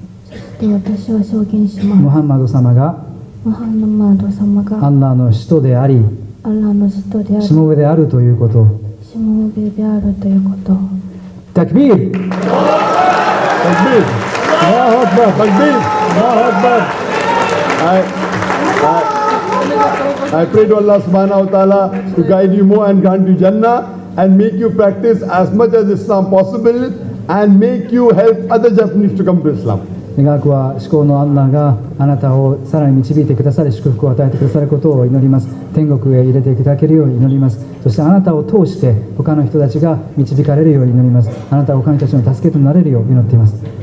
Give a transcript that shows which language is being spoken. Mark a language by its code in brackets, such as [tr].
[ja] そして私は証言します。ムハンマド様が。ムハンマド様が。アッラーの使徒であり。アッラーの使徒であり。しもべであるということを。しもべであるということを。タクビール。タクビール。ラハッバー。タクビール。ラハッバー。 [en] I pray to Allah subhanahu wa ta'ala to guide you more and grant you Jannah and make you practice as much as Islam possible and make you help other Japanese to come to Islam. [ja] 願くは至高のアッラーがあなたをさらに導いてくださり祝福を与えてくださることを祈ります。天国へ入れていただけるように祈ります。そしてあなたを通して他の人たちが導かれるように祈ります。あなたは他の人たちの助けとなれるよう祈っています。